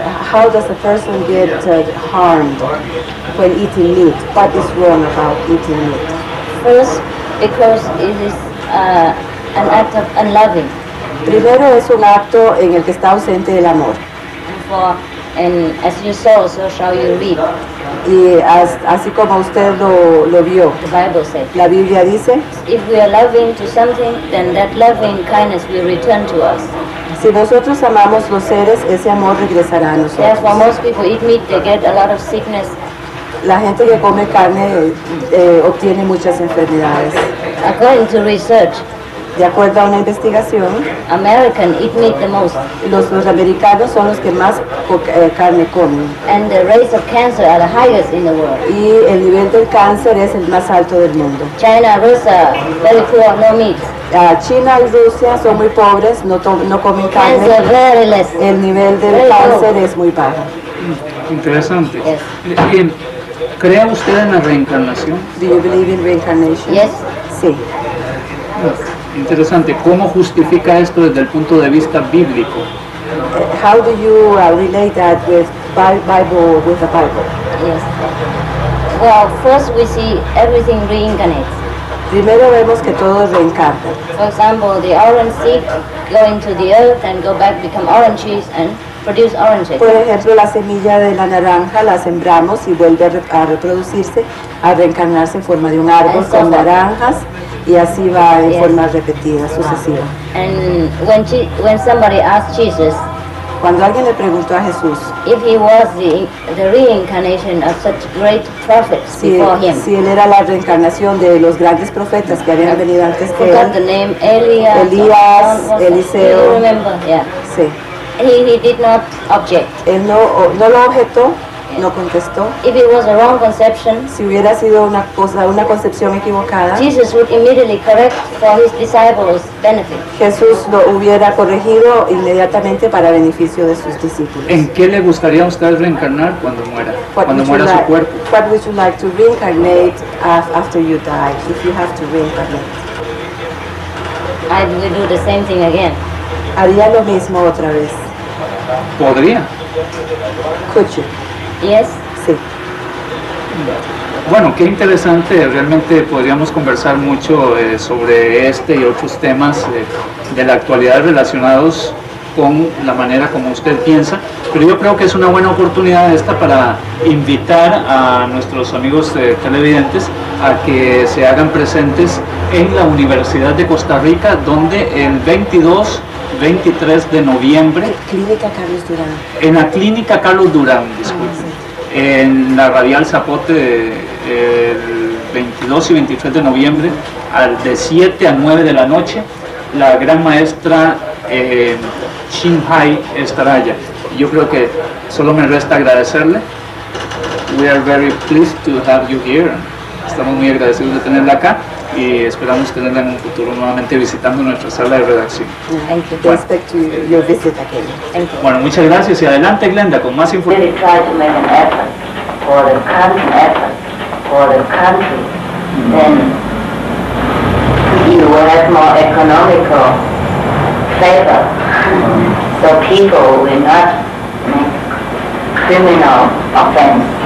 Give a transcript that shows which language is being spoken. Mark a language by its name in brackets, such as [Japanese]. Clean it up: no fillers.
[English] How does a person get harmed when eating meat? What is wrong about eating meat? First, because it is an act of unloving. [Spanish] Primero es un acto en el que está ausente el amor. [English] And as you saw, so shall you reap. [Spanish] Y así como usted lo vio, [English] the Bible says, [Spanish] la Biblia dice, [English] if we are loving to something, then that loving kindness will return to us. [Spanish] Si nosotros amamos los seres, ese amor regresará a nosotros. [English] Yes, well, most people eat meat, they get a lot of sickness. [Spanish] La gente que come carne obtiene muchas enfermedades. [English] According to research, [Spanish] de acuerdo a una investigación, [English] American eat meat the most. [Spanish] Los americanos son los que más carne comen. [English] And the rates of cancer are the highest in the world. [Spanish] Y el nivel del cáncer es el más alto del mundo. [English] China, Russia, very poor, no meat. [Spanish] China y Rusia son muy pobres, no comen carne. [English] Cancer, very less. [Spanish] El nivel del [English] very [Spanish] cáncer [English] low. [Spanish] Es muy bajo. Interesante. [English] Yes. [Spanish] Bien, ¿cree usted en la reencarnación? [English] Do you believe in reincarnation? Yes. [Spanish] Sí. Interesante. ¿Cómo justifica esto desde el punto de vista bíblico? [English] How do you relate that with Bible, with the Bible? Yes. Well, first we see everything reincarnates. [Spanish] Primero vemos que todo reencarna. [English] For example, the orange seed go into the earth and go back become oranges and produce oranges. [Spanish] Por ejemplo, la semilla de la naranja la sembramos y vuelve a reproducirse, a reencarnarse en forma de un árbol con naranjas. Y así va en [English] yes. [Spanish] forma repetida, sucesiva. [English] And when somebody asked Jesus, [Spanish] cuando alguien le preguntó a Jesús, [English] if he was the reincarnation of such great prophets [Spanish] si, [English] before him, [Spanish] si él era la reencarnación de los grandes profetas que habían venido antes que él, [English] forgot the name Elias, [Spanish] Elías, Eliseo, [English] you remember, yeah. [Spanish] Sí. [English] He did not object. [Spanish] Él no lo objetó. No contestó. [English] If it was a wrong conception, [Spanish] si hubiera sido una concepción equivocada, [English] Jesus would immediately correct for his disciples' benefit. [Spanish] Jesús lo hubiera corregido inmediatamente para beneficio de sus discípulos. ¿En qué le gustaría usted reencarnar cuando muera? Cuando muera su cuerpo. [English] What would you like to reincarnate after you die, if you have to reincarnate? I would do the same thing again. [Spanish] Haría lo mismo otra vez. Podría. [English] Could you? Yes. [Spanish] Sí. Bueno, qué interesante. Realmente podríamos conversar mucho sobre este y otros temas de la actualidad relacionados con la manera como usted piensa. Pero yo creo que es una buena oportunidad esta para invitar a nuestros amigos televidentes a que se hagan presentes en la Universidad de Costa Rica, donde el 22, 23 de noviembre... Clínica Carlos Durán. En la Clínica Carlos Durán, disculpe. En la Radial Zapote, el 22 y 23 de noviembre, de 7 a 9 de la noche, la gran maestra SƯU TẬP estará allá. Yo creo que solo me resta agradecerle. [English] We are very pleased to have you here. [Spanish] Estamos muy agradecidos de tenerla acá y esperamos tenerla en un futuro nuevamente visitando nuestra sala de redacción. [English] Thank you. Respect to your visit again. [Spanish] Bueno, muchas gracias y adelante, Glenda, con más información. [English] Try to make an effort for the country then you will have more economical favor. So people will not make criminal offense.